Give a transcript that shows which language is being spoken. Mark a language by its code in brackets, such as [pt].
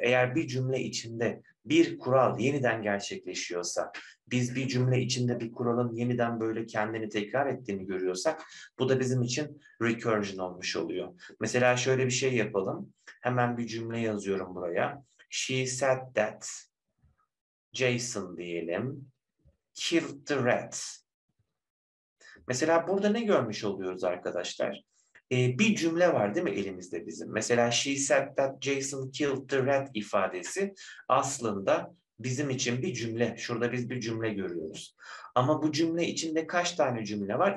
[tr] Eğer bir cümle içinde bir kural yeniden gerçekleşiyorsa, biz bir cümle içinde bir kuralın yeniden böyle kendini tekrar ettiğini görüyorsak, bu da bizim için recursion olmuş oluyor. Mesela şöyle bir şey yapalım. Hemen bir cümle yazıyorum buraya. [en] She said that Jason [tr] diyelim [en] killed the rat. [tr] Mesela burada ne görmüş oluyoruz arkadaşlar? Bir cümle var değil mi elimizde bizim? Mesela [en] she said that Jason killed the rat [tr] ifadesi aslında bizim için bir cümle. Şurada biz bir cümle görüyoruz. Ama bu cümle içinde kaç tane cümle var?